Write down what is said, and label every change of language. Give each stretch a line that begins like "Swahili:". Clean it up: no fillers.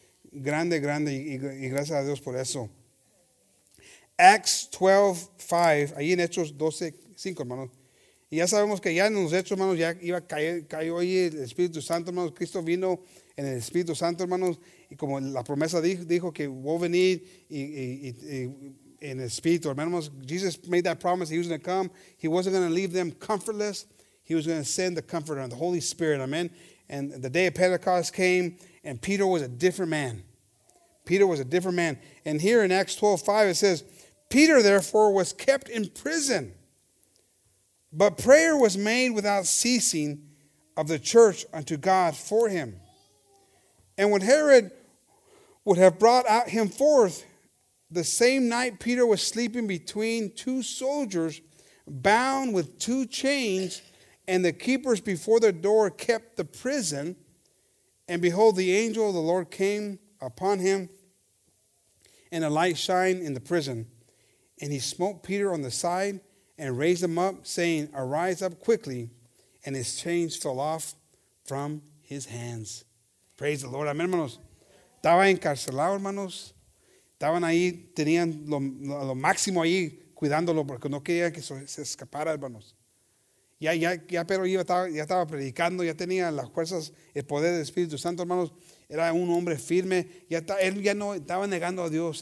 Spanish: Grande, grande, y gracias a Dios por eso. Acts 12:5, ahí en Hechos 12:5, hermanos. Y ya sabemos que ya en los hechos, hermanos, ya iba a caer, cayó ahí el Espíritu Santo, hermanos. Cristo vino en el Espíritu Santo, hermanos, y como la promesa dijo que voy a venir en el Espíritu, hermanos.
English: Jesus made that promise. He was going to come. He wasn't going to leave them comfortless. He was going to send the Comforter, the Holy Spirit. Amen. And the day of Pentecost came, and Peter was a different man. Peter was a different man. And here in Acts 12:5, it says, Peter, therefore, was kept in prison. But prayer was made without ceasing of the church unto God for him. And when Herod would have brought out him forth, the same night Peter was sleeping between two soldiers bound with two chains, and the keepers before the door kept the prison. And behold, the angel of the Lord came upon him, and a light shined in the prison. And he smote Peter on the side and raised him up, saying, arise up quickly. And his chains fell off from his hands. Praise the Lord.
Spanish: Amén, hermanos. Estaba encarcelado, hermanos. Estaban ahí, tenían lo máximo ahí cuidándolo porque no querían que se escapara, hermanos. Ya Pedro ya estaba predicando, ya tenía las fuerzas, el poder del Espíritu Santo, hermanos. Era un hombre firme. Él ya no estaba negando a Dios.